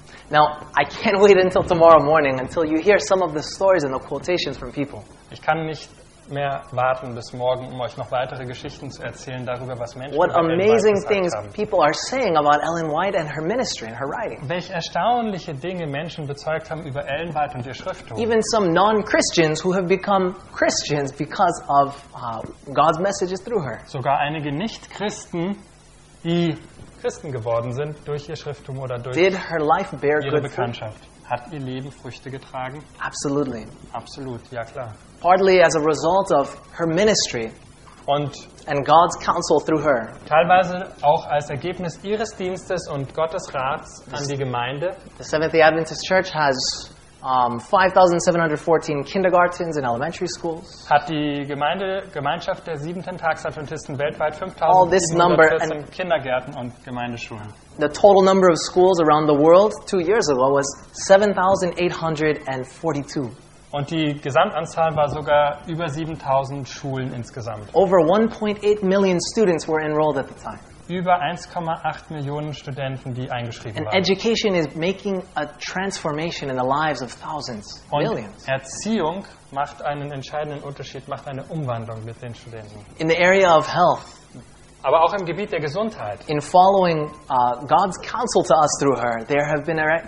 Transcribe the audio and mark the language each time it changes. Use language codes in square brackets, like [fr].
[en] Now, I can't wait until tomorrow morning until you hear some of the stories and the quotations from people. [de] Ich kann nicht mehr warten bis morgen, um euch noch weitere Geschichten zu erzählen darüber, was Menschen [en] What amazing things people are saying about Ellen White and her ministry and her writing. [de] Welch erstaunliche Dinge Menschen bezeugt haben über Ellen White und ihr Schrifttum. [en] Even some non-Christians who have become Christians because of God's messages through her. [de] Sogar einige Nicht-Christen, die Christen geworden sind durch ihr Schrifttum oder durch [en] Did her life bear [de] ihre Bekanntschaft. Hat ihr Leben Früchte getragen? [en] Absolutely. [de] Absolut, ja klar. [en] Partly as a result of her ministry and God's counsel through her. [de] Teilweise auch als Ergebnis ihres Dienstes und Gottes Rats an die Gemeinde. [en] The Seventh-day Adventist Church has 5,714 kindergartens and elementary schools. [de] Hat die Gemeinschaft der siebenten Tagsadventisten weltweit 5,714 Kindergärten und Gemeindeschulen. [en] The total number of schools around the world 2 years ago was 7,842. [de] Und die Gesamtanzahl war sogar über 7000 Schulen insgesamt. [en] Over 1.8 million students were enrolled at the time. [de] Über 1,8 Millionen Studenten, die eingeschrieben [en] And [de] waren. [en] Education is making a transformation in the lives of thousands, [de] Und [en] millions. [de] Erziehung macht einen entscheidenden Unterschied, macht eine Umwandlung mit den Studenten. [en] In the area of health. [de] Aber auch im Gebiet der Gesundheit. [en] In following God's counsel to us through her, there have been